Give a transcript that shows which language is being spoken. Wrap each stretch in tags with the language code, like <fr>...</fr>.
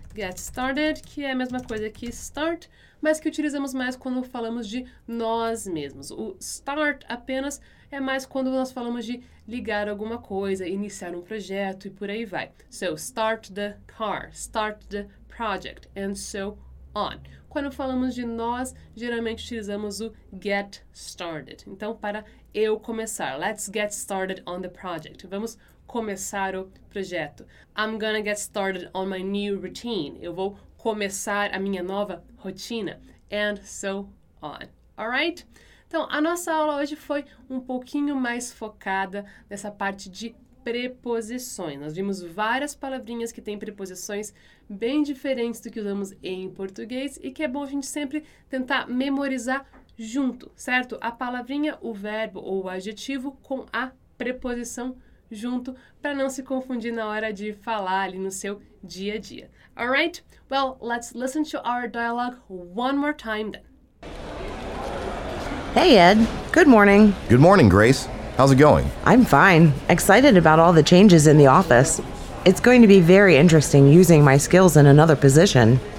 <pt>Get started, que é a mesma coisa que start, mas que utilizamos mais quando falamos de nós mesmos. O start apenas é mais quando nós falamos de ligar alguma coisa, iniciar um projeto e por aí vai.</pt> <en>So, start the car, start the project, and so on.</en> <pt>Quando falamos de nós, geralmente utilizamos o get started. Então, para eu começar,</pt> <en>let's get started on the project.</en> <pt>Vamos começar o projeto.</pt> <en>I'm gonna get started on my new routine.</en> <pt>Eu vou começar a minha nova rotina.</pt> <en>And so on. Alright?</en> <pt>Então, a nossa aula hoje foi um pouquinho mais focada nessa parte de preposições. Nós vimos várias palavrinhas que têm preposições bem diferentes do que usamos em português e que é bom a gente sempre tentar memorizar junto, certo? A palavrinha, o verbo ou o adjetivo com a preposição junto para não se confundir na hora de falar ali no seu dia a dia.</pt> <en>Alright? Well, let's listen to our dialogue one more time then. Hey, Ed. Good morning. Good morning, Grace. How's it going? I'm fine. Excited about all the changes in the office. It's going to be very interesting using my skills in another position.</en>